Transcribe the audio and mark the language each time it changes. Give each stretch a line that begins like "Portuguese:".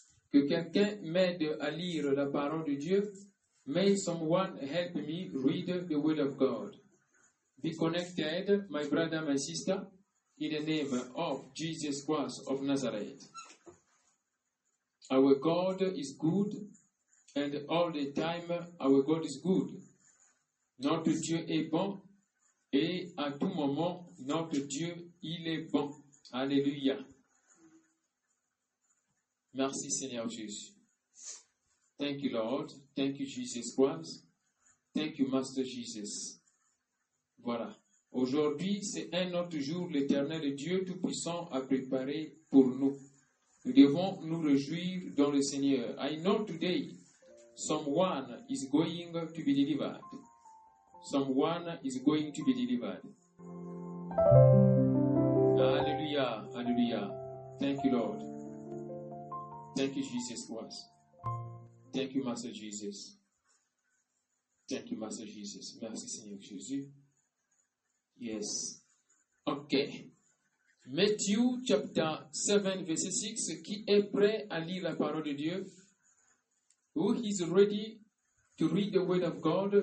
French: Que quelqu'un m'aide à lire la parole de Dieu.
English: May someone help me read the word of God. Be connected, my brother, my sister, in the name of Jesus Christ of Nazareth. Our God is good, and all the time our God is good.
French: Notre Dieu est bon, et à tout moment, notre Dieu, il est bon. Alléluia. Merci Seigneur Jésus.
English: Thank you Lord, thank you Jesus Christ, thank you Master Jesus. Voilà.
French: Aujourd'hui, c'est un autre jour l'Éternel Dieu Tout-Puissant a préparé pour nous. Nous devons nous réjouir dans le Seigneur.
English: I know today someone is going to be delivered. Someone is going to be delivered. Alléluia, alléluia. Thank you, Lord. Thank you, Jesus Christ. Thank you, Master Jesus. Thank you, Master Jesus.
French: Merci, Seigneur Jésus.
English: Yes. OK.
French: Matthieu, chapitre 7, verset 6. Qui est prêt à lire la parole de Dieu?
English: Who is ready to read the word of God?